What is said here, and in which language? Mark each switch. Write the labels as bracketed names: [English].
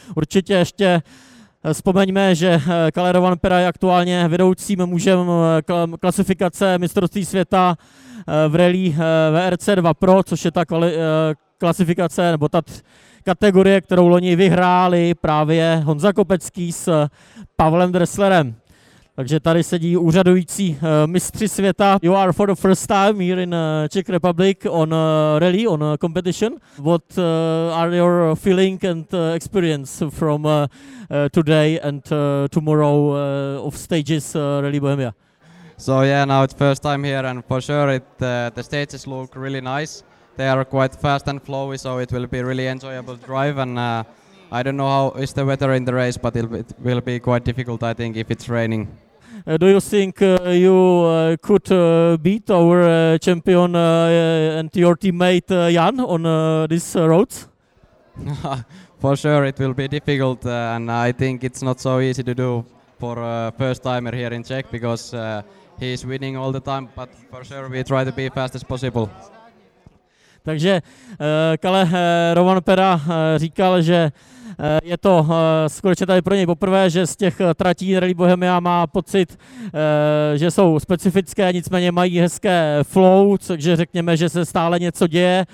[Czech] Určitě ještě vzpomeňme, že Kalle Rovan Pera je aktuálně vedoucím mužem klasifikace mistrovství světa v rally WRC 2 Pro, což je ta klasifikace nebo ta kategorie, kterou loni vyhráli právě Honza Kopecký s Pavlem Dresslerem. Takže tady sedí úřadující mistři světa. [English] You are for the first time here in Czech Republic on rally, on competition. What are your feeling and experience from today and tomorrow of stages Rally Bohemia? So yeah, now it's first time here and for sure the stages look really nice. They are quite fast and flowy, so it will be really enjoyable drive. And I don't know how is the weather in the race, but it will be quite difficult, I think, if it's raining. Do you think you could beat our champion and your teammate Jan on these roads? For sure, it will be difficult, and I think it's not so easy to do for a first timer here in Czech because he is winning all the time. But for sure, we try to be fast as possible. [Czech] Takže Kalle Rovan Pera říkal, že je to skutečně tady pro něj poprvé, že z těch tratí Rally Bohemia má pocit, že jsou specifické, nicméně mají hezké flow, takže řekněme, že se stále něco děje.